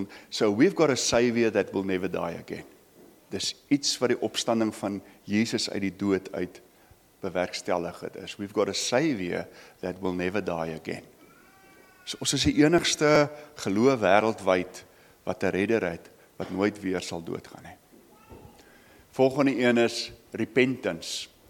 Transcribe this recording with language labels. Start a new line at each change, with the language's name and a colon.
English: So we've got a Savior that will never die again.
Afrikaans: Dis iets wat die opstanding van Jesus uit die dood uit bewerkstellig het is.
English: We've got a Savior that will never die again.
Afrikaans: So, ons is die enigste geloof wêreldwyd wat 'n redder het, wat nooit weer sal doodgaan nie. Volgende een is repentance.